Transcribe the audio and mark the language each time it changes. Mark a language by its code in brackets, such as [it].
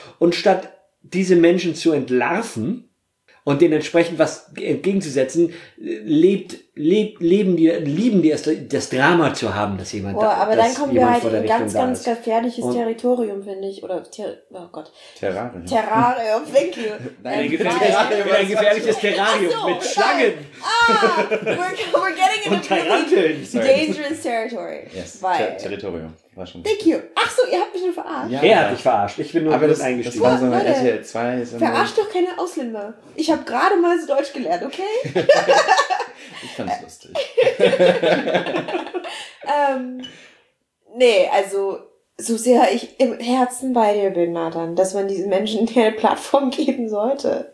[de] Und statt diese Menschen zu entlarven und denen entsprechend was entgegenzusetzen, lebt lieben die es, das Drama zu haben, dass jemand vor der Aber dann kommen wir halt in ganz, ganz gefährliches Territorium, finde ich. Oder, Terrarium. Terrarium, [en] thank you. [de] Ein gefährliches Terrarium mit Schlangen. [en] We're getting in a really dangerous territory. [de] Yes, weil, Territorium. [en] Thank you. [de] Ach so, ihr habt mich nur verarscht. Ja, er hat mich verarscht. Ich bin nur mit eingestiegen. Das war so eine RTL2. Verarscht doch keine Ausländer. Ich habe gerade mal so Deutsch gelernt, okay? Ich fand's lustig. Nee, also so sehr ich im Herzen bei dir bin, Nathan, dass man diesen Menschen eine Plattform geben sollte.